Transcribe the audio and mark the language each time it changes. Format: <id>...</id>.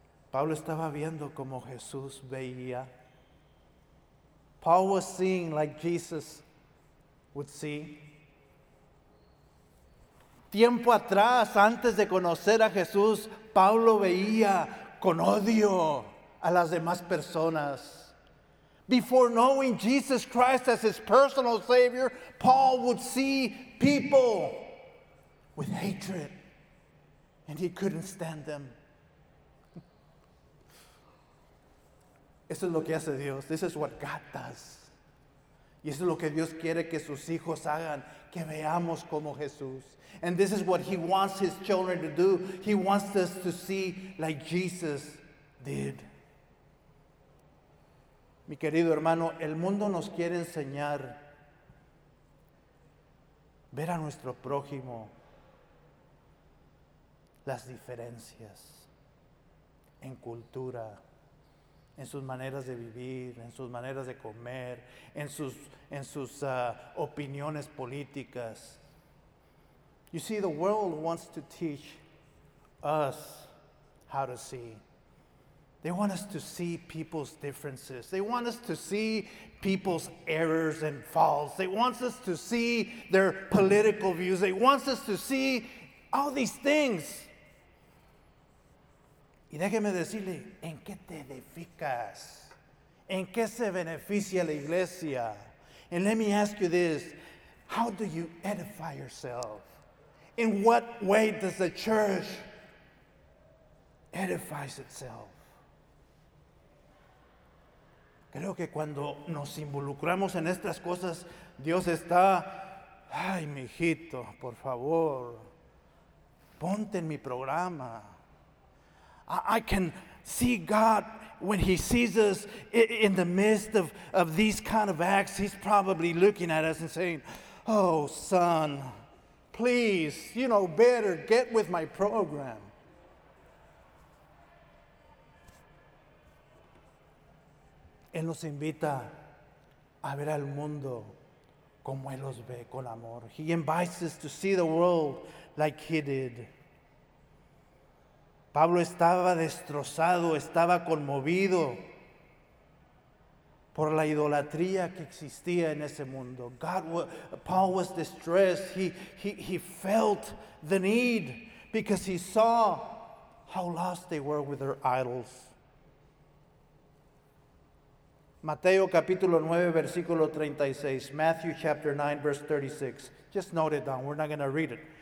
<es>Pablo estaba viendo como Jesús veía.</es> <en>Paul was seeing like Jesus would see.</en> <es>Tiempo atrás, antes de conocer a Jesús, Pablo veía con odio a las demás personas.</es> <en>Before knowing Jesus Christ as his personal Savior, Paul would see people with hatred, and he couldn't stand them.</en> <es>Eso es lo que hace Dios.</es> <en>This is what God does.</en> <es>Y eso es lo que Dios quiere que sus hijos hagan, que veamos como Jesús.</es> <en>And this is what he wants his children to do. He wants us to see like Jesus did.</en> <es>Mi querido hermano, el mundo nos quiere enseñar ver a nuestro prójimo las diferencias en cultura, en sus maneras de vivir, en sus maneras de comer, en sus opiniones políticas.</es> <en>You see, the world wants to teach us how to see. They want us to see people's differences. They want us to see people's errors and faults. They want us to see their political views. They want us to see all these things.</en> <es>Y déjeme decirle, ¿en qué te edificas? ¿En qué se beneficia la iglesia?</es> <en>And let me ask you this, how do you edify yourself? In what way does the church edify itself?</en> <es>Creo que cuando nos involucramos en estas cosas, Dios está, ay, mijito, por favor, ponte en mi programa.</es> <en>I can see God when he sees us in the midst of these kind of acts. He's probably looking at us and saying, oh, son, please, you know better, get with my program.</en> <es>Él nos invita a ver al mundo como Él los ve, con amor.</es> <en>He invites us to see the world like He did.</en> <es>Pablo estaba destrozado, estaba conmovido por la idolatría que existía en ese mundo.</es> <en>Paul was distressed. He felt the need because he saw how lost they were with their idols. Mateo capítulo 9, versículo 36. Matthew chapter 9, verse 36. Just note it down. We're not going to read it.</en>